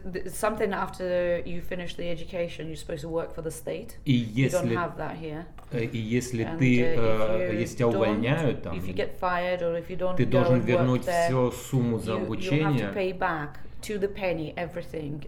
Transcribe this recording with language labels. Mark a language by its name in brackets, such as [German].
[English] Something after you finish the education, you're supposed to work for the state. [Russian] И если, [English] you don't have that here. [Russian] И если ты, если тебя увольняют там, [English] if you get fired or if you don't [Russian] ты должен вернуть [English] there, [Russian] всю сумму за обучение. [English] You have to pay back to the penny everything.